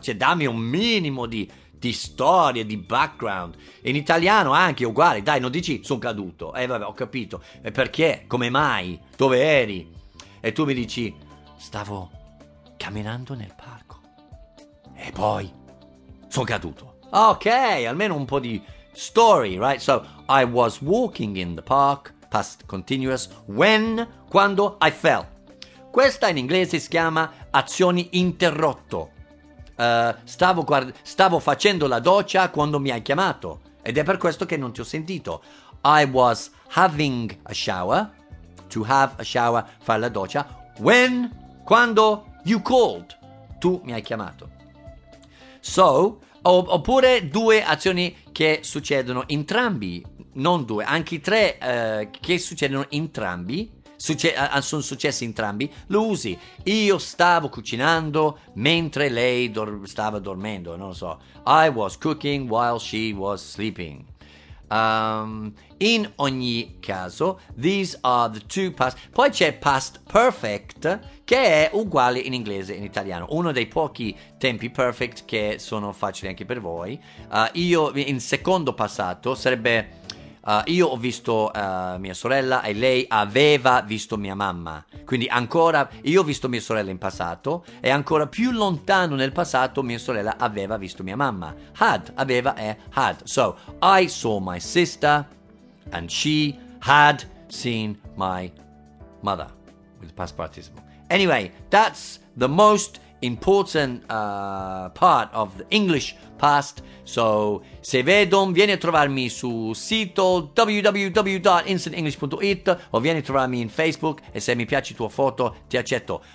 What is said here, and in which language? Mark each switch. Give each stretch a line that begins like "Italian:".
Italian: Cioè, dammi un minimo di storia, di background. In italiano anche, uguale, dai, non dici sono caduto. Vabbè, ho capito. E perché? Come mai? Dove eri? E tu mi dici, stavo camminando nel parco e poi sono caduto. Ok, almeno un po' di story, right?
English: So, I was walking in the park, past continuous, when,
Italian: quando,
English: I fell.
Italian: Questa in inglese si chiama azioni interrotto. Stavo facendo la doccia quando mi hai chiamato ed è per questo che non ti ho sentito.
English: I was having a shower, to have a shower,
Italian: fare la doccia,
English: when
Italian: Quando
English: you called,
Italian: tu mi hai chiamato. So, oppure due azioni che succedono entrambi, non due, anche tre che succedono entrambi, sono successi entrambi, lo usi. Io stavo cucinando mentre lei stava dormendo, non lo so.
English: I was cooking while she was sleeping.
Italian: In ogni caso,
English: these are the two past.
Italian: Poi c'è past perfect, che è uguale in inglese e in italiano. Uno dei pochi tempi perfect che sono facili anche per voi. Io in secondo passato sarebbe io ho visto mia sorella e lei aveva visto mia mamma. Quindi ancora io ho visto mia sorella in passato e ancora più lontano nel passato mia sorella aveva visto mia mamma. Had, aveva è had.
English: So, I saw my sister and she had seen my mother with past participle. Anyway, that's the most important part of the English past.
Italian: So, se vedon, vieni a trovarmi su sito www.instantenglish.it o vieni a trovarmi in Facebook e se mi piace tua foto, ti accetto.